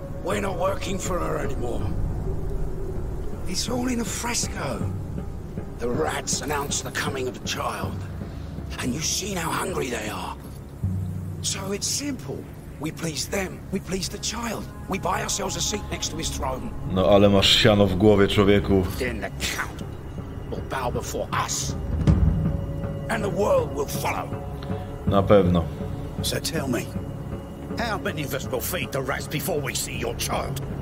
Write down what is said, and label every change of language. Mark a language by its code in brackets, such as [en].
[en] We're not working for her anymore. It's all in a fresco. The rats announce the coming of a child. And you see how hungry they are. So it's simple. We please them, we please the child. We buy ourselves a seat next to his throne. [pl] No ale masz siano w głowie, człowieku. [en] Then the count will bow before us. And the world will follow. [pl] Na pewno. [en] So tell me, how many of us will feed the rats before we see your child?